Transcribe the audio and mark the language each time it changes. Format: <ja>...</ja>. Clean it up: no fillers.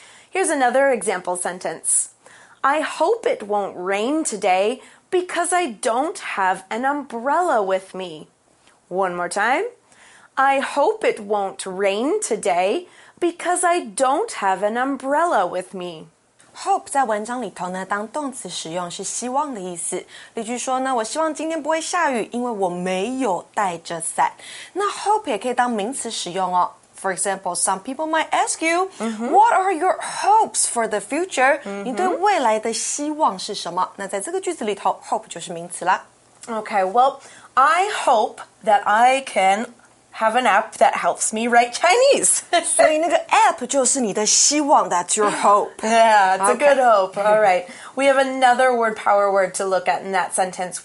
<en>Here's another example sentence. I hope it won't rain today because I don't have an umbrella with me. One more time. I hope it won't rain today because I don't have an umbrella with me.</en> <zh>Hope 在文章里头呢，当动词使用是希望的意思。例句说呢，我希望今天不会下雨，因为我没有带着伞。那 hope 也可以当名词使用哦。</zh> <en>For example, some people might ask you, what are your hopes for the future?</en> <zh>你对未来的希望是什么？那在这个句子里头 ，hope 就是名词啦。</zh> <en>Okay, well, I hope that I can have an app that helps me write Chinese.</en> <zh>所以那个 app 就是你的希望</zh> <en>That's your hope. Yeah, it's a good hope. All right. We have another word power word to look at in that sentence.</en>